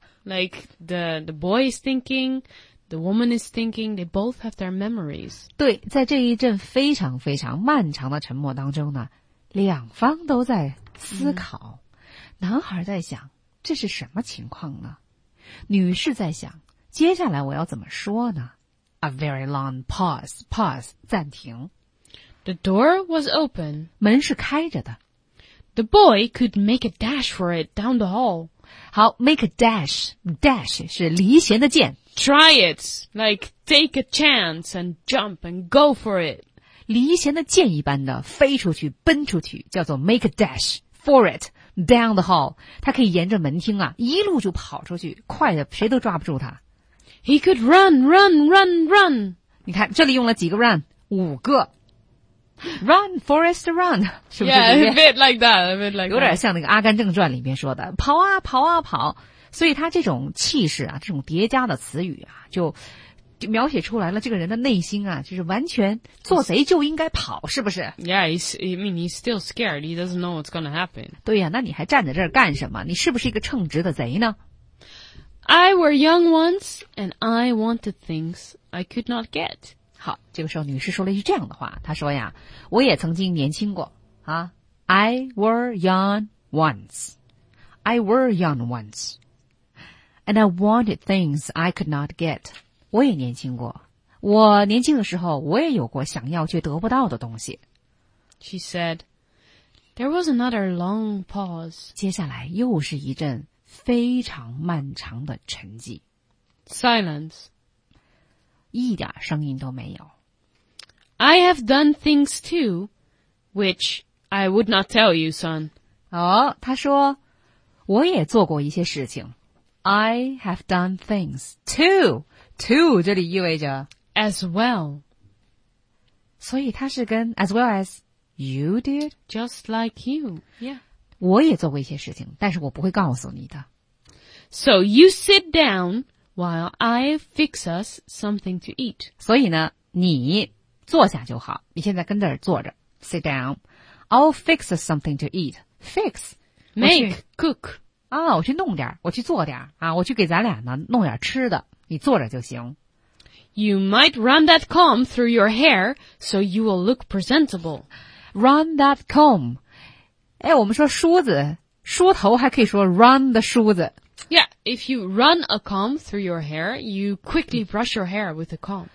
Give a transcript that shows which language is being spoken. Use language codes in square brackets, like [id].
[en] Like the boy is thinking, the woman is thinking, they both have their memories. [zh] 对，在这一阵非常非常漫长的沉默当中呢，两方都在思考，男孩在想这是什么情况呢？女士在想接下来我要怎么说呢 ？ [en] A very long pause, pause, [zh] 暂停。 [en] The door was open, [zh] 门是开着的。 [en] The boy could make a dash for it down the hall. [zh] 好 ， [en] make a dash, dash [zh] 是离弦的箭。 [en] Try it, like take a chance and jump and go for it. [zh] 离弦的箭一般的飞出去奔出去叫做 [en] make a dash for it down the hall [zh] 他可以沿着门厅啊一路就跑出去快的谁都抓不住他 [en] He could run run run run [zh] 你看这里用了几个 run 五个 [en] Run, Forrest, run. [zh] 是不是 [en] yeah, a bit like that, a bit like that. [zh] 有点像那个阿甘正传里面说的跑啊跑啊跑。所以他这种气势啊，这种叠加的词语啊，就描写出来了这个人的内心啊，就是完全做贼就应该跑，是不是 [en] ？Yeah, he's still scared. He doesn't know what's gonna happen. [zh] 对呀、啊，那你还站在这儿干什么？你是不是一个称职的贼呢 [en] ？I were young once, and I wanted things I could not get. [zh] 好，这个时候女士说了一句这样的话，她说呀：“我也曾经年轻过啊。 [en] ”I were young once. I were young once. And I wanted things I could not get. [zh] 我也年轻过。我年轻的时候，我也有过想要却得不到的东西。 [en] She said, there was another long pause. [zh] 接下来又是一阵非常漫长的沉寂。 [en] Silence. [zh] 一点声音都没有。 [en] I have done things too, which I would not tell you, son. [zh] 哦，他说，我也做过一些事情。 [en] I have done things too. Too [zh] 这里意味着 [en] as well. [zh] 所以它是跟 [en] as well as you did. Just like you. Yeah. [zh] 我也做过一些事情，但是我不会告诉你的。 [en] So you sit down while I fix us something to eat. [zh] 所以呢，你坐下就好。你现在跟这儿坐着 ， [en] sit down. I'll fix us something to eat. Fix, make, cook. [zh] 啊、哦，我去弄点，我去做点啊，我去给咱俩呢弄点吃的，你坐着就行。 [en] You might run that comb through your hair so you will look presentable. Run that comb. [zh] 哎，我们说梳子、梳头，还可以说 [en] run the [zh] 梳子。 [en] Yeah, if you run a comb through your hair, you quickly brush your hair with a comb.